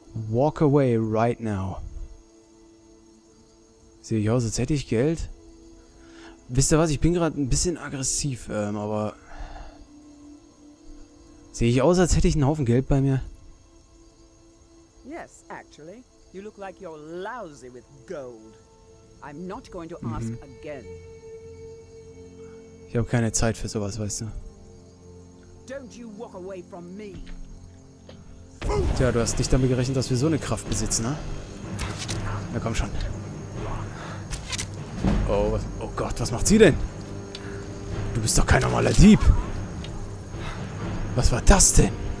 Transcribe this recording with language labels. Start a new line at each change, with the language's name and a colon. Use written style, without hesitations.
English: Walk away right now.
German: Sehe ich aus, als hätte ich Geld? Wisst ihr was, ich bin gerade ein bisschen aggressiv, aber... Sehe ich aus, als hätte ich einen Haufen Geld bei mir?
English: Yes, actually, you look like you're lousy with gold. I'm not going to ask again.
German: Ich habe keine Zeit für sowas, weißt du.
English: Don't you walk away from me.
German: Tja, du hast nicht damit gerechnet, dass wir so eine Kraft besitzen, ne? Na komm schon. Oh, oh Gott, was macht sie denn? Du bist doch kein normaler Dieb. Was war das denn?